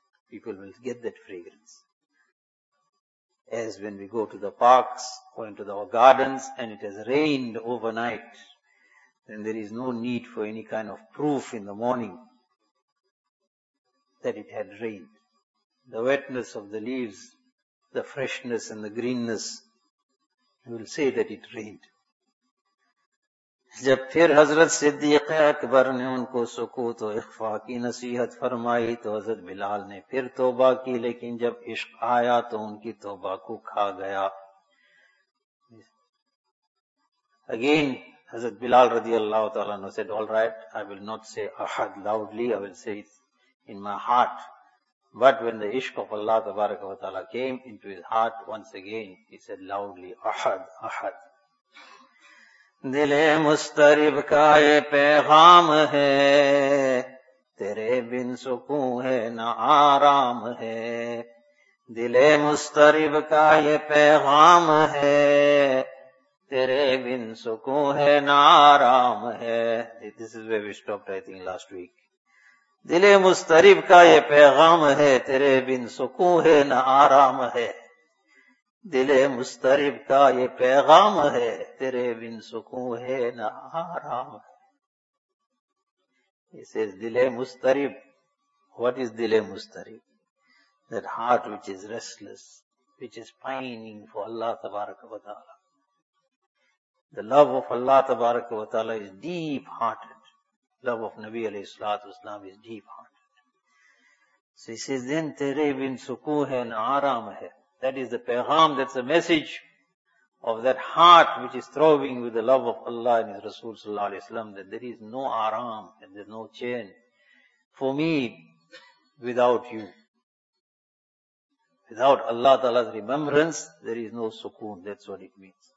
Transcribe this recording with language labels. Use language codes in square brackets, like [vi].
[en] People will get that fragrance. As when we go to the parks or into our gardens and it has rained overnight, then there is no need for any kind of proof in the morning that it had rained. The wetness of the leaves, the freshness and the greenness will say that it rained. [ur] جب پھر حضرت صدیق اکبر نے ان کو سکوت و اخفا کی نصیحت فرمائی تو حضرت بلال نے پھر توبہ کی, لیکن جب عشق آیا تو ان کی توبہ کو کھا گیا. [en] Again, حضرت Bilal رضی اللہ تعالیٰ عنہ said, all right, I will not say احد loudly, I will say it in my heart. But when the عشق of Allah تبارک و تعالیٰ came into his heart, once again he said loudly, احد احد. [ur] دلِ مسترب کا یہ پیغام ہے, تیرے بن سکون ہے نہ آرام ہے. دلِ مسترب کا یہ پیغام ہے, تیرے بن سکون ہے نہ آرام ہے. [en] This is where we stopped, I think, last week. [ur] دلِ مسترب کا یہ پیغام ہے, تیرے بن سکون ہے نہ آرام ہے. دلِ مسترب کا یہ پیغام ہے, تیرے بن سکون ہے نہ آرام ہے. [en] He says, دلِ مسترب, what is دلِ مسترب? That heart which is restless, which is pining for Allah تبارک و تعالی. The love of Allah تبارک و تعالی is deep-hearted. Love of Nabi علیہ السلام is deep-hearted. So he says, then [ur] تیرے بن سکون ہے نہ آرام ہے. [en] That is the pegham, that's the message of that heart which is throbbing with the love of Allah and His Rasul sallallahu alayhi wa sallam, that there is no aram and there is no chain for me without you. Without Allah ta'ala's remembrance, there is no sukoon, that's what it means.